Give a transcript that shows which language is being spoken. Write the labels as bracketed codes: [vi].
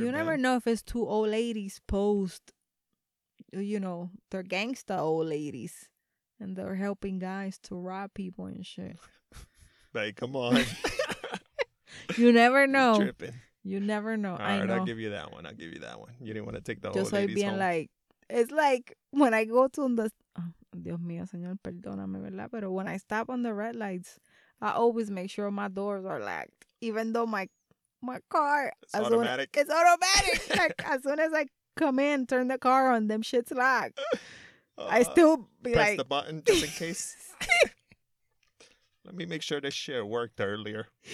[en] You never know if it's two old ladies post, you know, they're gangsta old ladies. And they're helping guys to rob people and shit. Babe, come on. You never know. You're tripping. You never know. All right, I know. I'll give you that one. I'll give you that one. You didn't want to take the just old ladies being home. Like, it's like when I go to the... [es] Oh, Dios mío, señor, perdóname, ¿verdad? [en] Pero when I stop on the red lights, I always make sure my doors are locked. Even though my car... It's automatic. It's automatic. Like, as soon as I come in, turn the car on, them shit's locked. I still be press like... Press the button just in case. Let me make sure this shit worked earlier.